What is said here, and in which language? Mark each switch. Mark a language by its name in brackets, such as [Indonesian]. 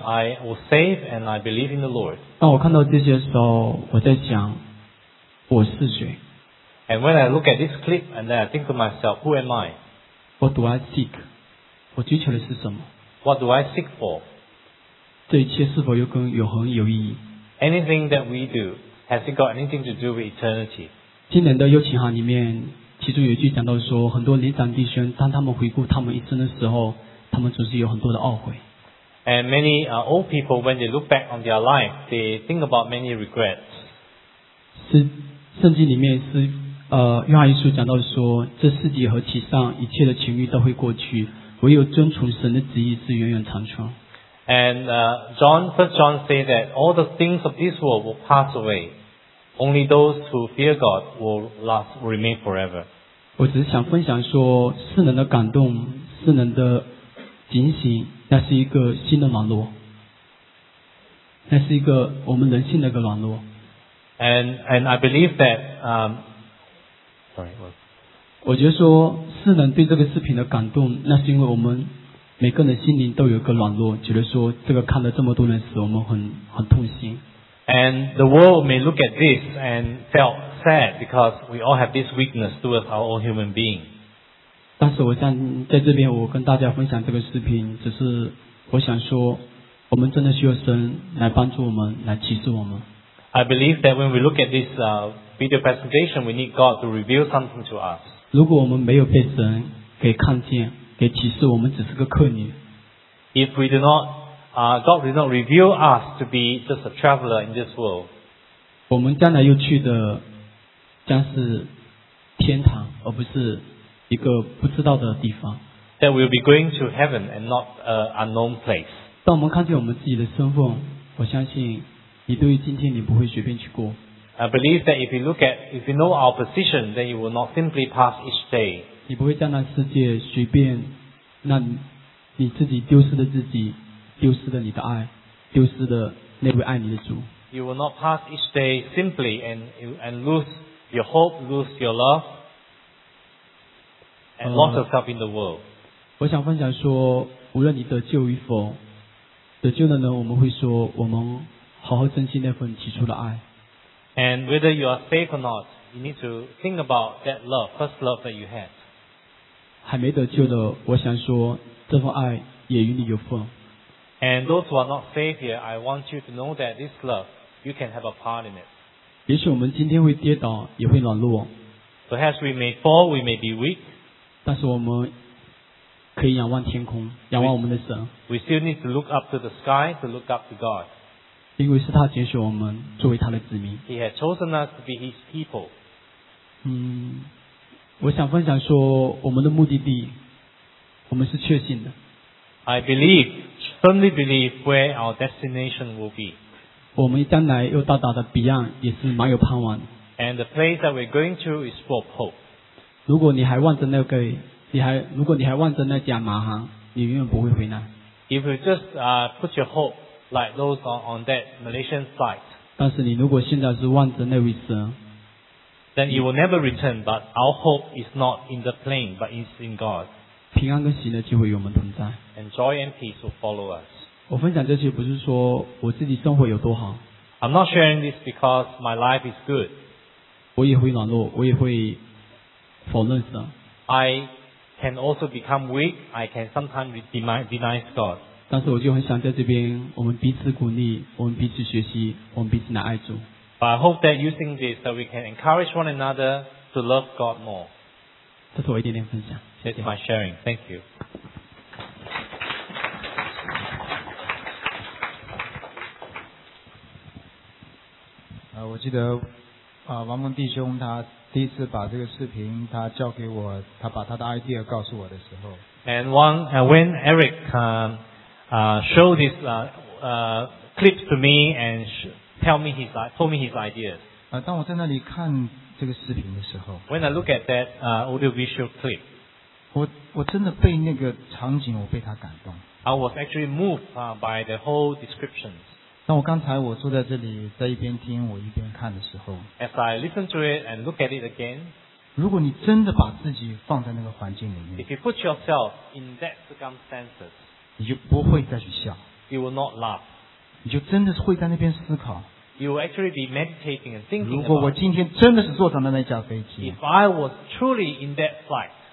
[English] I was saved, and I believe in the Lord. [Chinese] 当我看到这些时候，我在想，我是谁 [English] ？And when I look at this clip, and then I think to myself, "Who am I?" What do I seek? [Chinese] 我追求的是什么 [English] ？What do I seek for? [Chinese] 这一切是否又跟永恒有意义 [English] ？Anything that we do. Has it got anything to do with eternity? [Chinese] 今年的邀请函里面，其中有一句讲到说，很多年长弟兄，当他们回顾他们一生的时候，他们总是有很多的懊悔。 [English] And many old people, when they look back on their life, they think about many regrets. [Chinese] 是圣经里面是约翰一书讲到说，这世界和其上一切的情欲都会过去，唯有遵从神的旨意是永远长存。 [English] And First John say that all the things of this world will pass away. Only those who fear God will remain forever. [Chinese] 我只是想分享说，世人的感动，世人的警醒，那是一个新的软弱，那是一个我们人性的一个软弱。 [English] And I believe that [Chinese] 我觉得说，世人对这个视频的感动，那是因为我们。每个人心灵都有一个软弱，觉得说这个看了这么多人死，我们很痛心。 [English] And the world may look at this and felt sad because we all have this weakness towards our own human being. [Chinese] 但是我想在这边，我跟大家分享这个视频，只是我想说，我们真的需要神来帮助我们，来启示我们。 [English] I believe that when we look at this video presentation, we need God to reveal something to us. [Chinese] 如果我们没有被神给看见，给启示，我们只是个客旅。 [English] If we do not, God did not reveal us to be just a traveler in this world. [Chinese] 我们将来要去的将是天堂，而不是一个不知道的地方。 [English] That we'll be going to heaven and not an unknown place. [Chinese] 当我们看见我们自己的身份，我相信你对于今天你不会随便去过。 [English] I believe that if you look at, if you know our position, then you will not simply pass each day. [Chinese] 你不会将那世界随便，那你自己丢失了自己，丢失了你的爱，丢失了那位爱你的主。 [English] You will not pass each day simply and lose your hope, lose your love, and lost yourself in the world. [Chinese] 我想分享说，无论你得救与否，得救的人我们会说我们好好珍惜那份起初的爱。 [English] And whether you are safe or not, you need to think about that love, first love that you had. [Chinese] 还没得救的，我想说这份爱也与你有份。 [English] And those who are not safe here, I want you to know that this love, you can have a part in it. [Chinese] 也许我们今天会跌倒，也会软弱。 [English] Perhaps we may fall, we may be weak. [Chinese] 但是我们可以仰望天空，仰望我们的神。 [English] We still need to look up to the sky, to look up to God. [Chinese] 因为是他拣选我们作为他的子民。 [English] He has chosen us to be his people. [Chinese] 我想分享说我们的目的地，我们是确信的。 [English] I believe, firmly believe where our destination will be. [Chinese] 我们将来又到达的彼岸也是蛮有盼望的。 [English] And the place that we're going to is full of hope. [Chinese] 如果你还望着那个，如果你还望着那家马航，你永远不会回来。 [English] If you just put your hope. Like those on that Malaysian flight. [Chinese] 但是你如果现在是望着那位神， [English] then you will never return. But our hope is not in the plane, but is in God. [Chinese] 平安跟喜乐就会与我们同在。 [English] And joy and peace will follow us. [Chinese] 我分享这些不是说我自己生活有多好。 [English] I'm not sharing this because my life is good. [Chinese] 我也会软弱，我也会否认神。 [English] I can also become weak. I can sometimes deny God. [Chinese] 但是我就很想在这边，我们彼此鼓励，我们彼此学习，我们彼此来爱主。 [English] But I hope that using this, that we can encourage one another to love God more. [Chinese] 这是我一点点分享。 [English] That's my sharing. Thank you. [Chinese] Ah, 我记得啊，王文弟兄他第一次把这个视频他交给我，他把他的 idea 告诉我的时候。 [English] And one, when Eric show this clip to me and told me his ideas. [Chinese] 当我在那里看这个视频的时候， [English] when I look at that audiovisual clip, [Chinese] 我真的被那个场景，我被他感动。 [English] I was actually moved by the whole description. [Chinese] 当我刚才我坐在这里，在一边听我一边看的时候， [English] as I listen to it and look at it again, [Chinese] 如果你真的把自己放在那个环境里面， [English] if you put yourself in that circumstances. [Chinese] 你就不会再去笑。 [English] You will not laugh. [Chinese] 你就真的是会在那边思考。 [English] You will actually be meditating and thinking. [Chinese] 如果我今天真的是坐上了那架飞机。 [English] If I was truly in that flight.